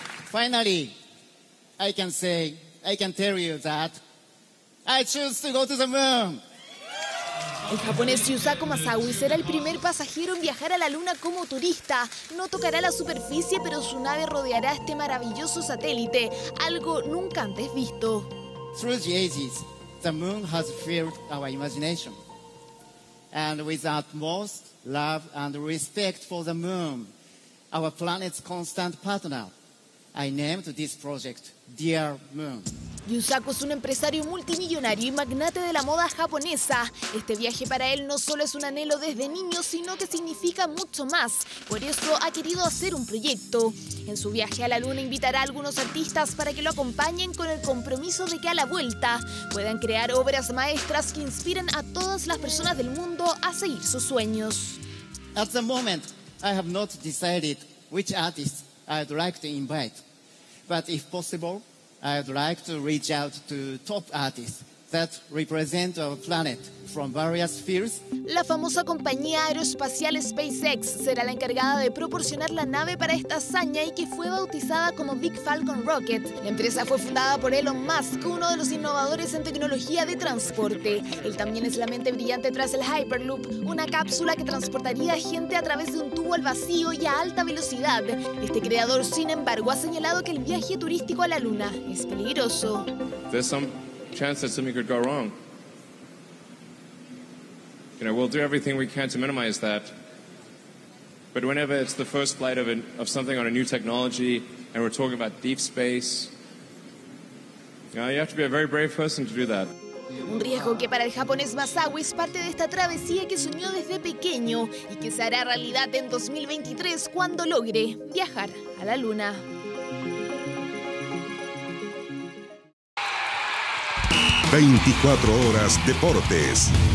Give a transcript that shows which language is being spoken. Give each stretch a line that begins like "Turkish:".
English: Finally, I can say, I can tell you that I choose to go to the moon.
Spanish: El japonés Yusaku Masawi será el primer pasajero en viajar a la Luna como turista. No tocará la superficie, pero su nave rodeará este maravilloso satélite, algo nunca antes visto.
English: Through the ages, the moon has filled our imagination. And with utmost love and respect for the moon, our planet's constant partner, I named this project Dear Moon.
Spanish: Yusaku es un empresario multimillonario y magnate de la moda japonesa. Este viaje para él no solo es un anhelo desde niño, sino que significa mucho más. Por eso ha querido hacer un proyecto. En su viaje a la Luna invitará a algunos artistas para que lo acompañen con el compromiso de que a la vuelta puedan crear obras maestras que inspiren a todas las personas del mundo a seguir sus sueños.
English: At the moment, I have not decided which artist I'd like to invite. But if possible, I'd like to reach out to top artists that represent our planet from various fields.
Spanish: La famosa compañía aeroespacial SpaceX será la encargada de proporcionar la nave para esta hazaña y que fue bautizada como Big Falcon Rocket. La empresa fue fundada por Elon Musk, uno de los innovadores en tecnología de transporte. Él también es la mente brillante tras el Hyperloop, una cápsula que transportaría gente a través de un tubo al vacío y a alta velocidad. Este creador, sin embargo, ha señalado que el viaje turístico a la Luna es peligroso.
English: Chance that something could go wrong. You know, we'll do everything we can to minimize that. But whenever it's the first flight of something on a new technology and we're talking about deep space, you know, you have to be a very brave person to do that.
Spanish: Un riesgo que para el japonés Masawi es parte de esta travesía que soñó desde pequeño y que se hará realidad en 2023 cuando logre viajar a la Luna. ...24 horas deportes.